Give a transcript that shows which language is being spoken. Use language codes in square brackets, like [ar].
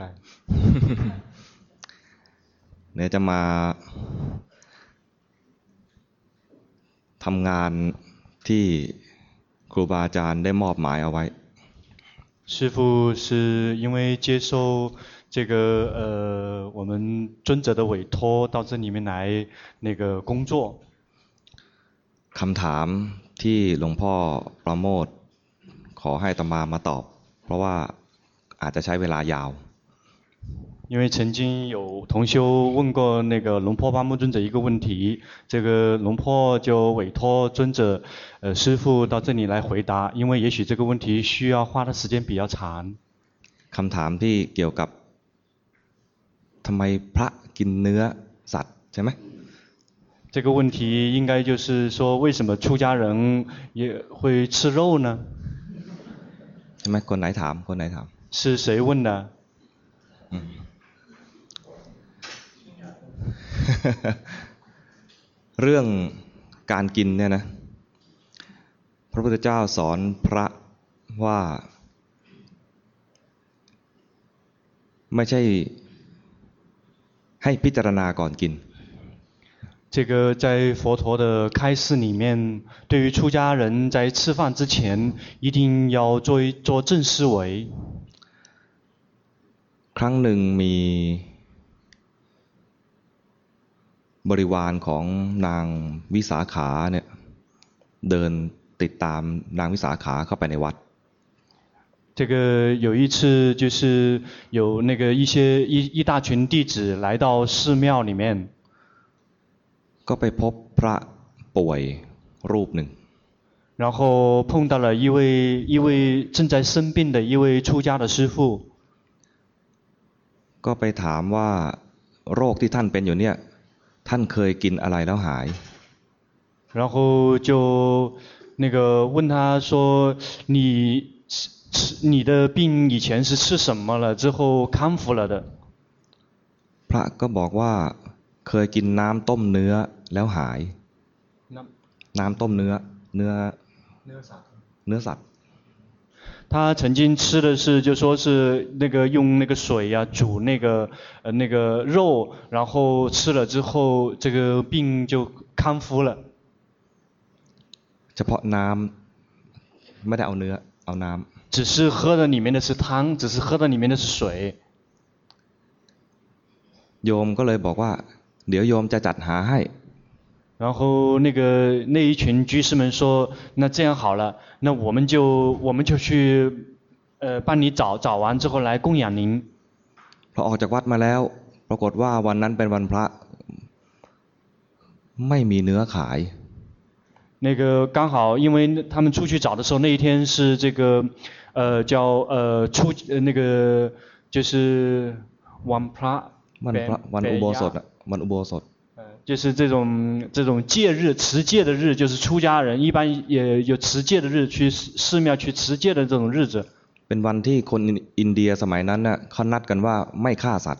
[th] จเนี่ยจะมาทำงานที่ครูบาอาจารย์ได้มอบหมายเอาไว้ [zh] 师父是因为接受这个我们尊者的委托到这里面来那个工作 [th] คำถามที่หลวงพ่อประโมทขอให้ตมามาตอบเพราะว่าอาจจะใช้เวลายาว [zh] 因为曾经有同修问过那个龙婆巴木尊者一个问题，这个龙婆就委托尊者师父到这里来回答，因为也许这个问题需要花的时间比较长。 [th] คำถามที่เกี่ยวกับทำไมพระกินเนื้อสัตว์ใช่ไหม [zh] 这个问题应该就是说为什么出家人也会吃肉呢 [th] ใช่ไหมคนไหนถามคนไหนถาม [zh] 是谁问的嗯 [th] เรื่องการกินเนี่ยนะพระพุทธเจ้าสอนพระว่าไม่ใช่ให้พิจารณาก่อนกิน [zh] 这个在佛陀的开示里面，对于出家人在吃饭之前，一定要做正思维。 [th] ครั้งหนึ่งมีบริวารของนางวิสาขาเนี่ยเดินติดตามนางวิสาขาเข้าไปในวัด [zh] 这个有一次就是有那个一些一大群弟子来到寺庙里面。 [th] ก็ไปพบพระป่วยรูปหนึ่ง [zh] 然后碰到了一位正在生病的一位出家的师父 [th] ก็ไปถามว่าโรคที่ท่านเป็นอยู่เนี่ยท่านเคยกินอะไรแล้วหาย [zh] 然后就那个问他说你的病以前是吃什么了之后康复了的 [th] พระก็บอกว่าเคยกินน้ำต้มเนื้อแล้วหายน้ำต้มเนื้อสัตว์ [zh] 他曾经吃的是就说是那个用那个水呀、啊、煮那个那个肉然后吃了之后这个病就康复了 [th] เฉพาะน้ำไม่ได้เอาเนื้อเอาน้ำ [zh] 只是喝的里面的是汤只是喝的里面的是水 [th] โยมก็เลยบอกว่าเดี๋ยวโยมจะจัดหาให้ [zh] 然后那一群居士们说那这样好了那我们就去帮你找完之后来供养您 [th] พอออกจากวัดมาแล้วปรากฏว่าวันนั้นเป็นวันพระไม่มีเนื้อขาย [zh] 那个刚好因为他们出去找的时候那一天是这个叫出那个就是วันพระ [th] วันอุโบสถมันอุโบสถ [zh] 就是这种戒日持戒的日就是出家人一般也有持戒的日去寺庙去持戒的这种日子 [th] เป็นวันที่คนอินเดียสมัยนั้นน่ะเขานัดกันว่าไม่ฆ่าสัตว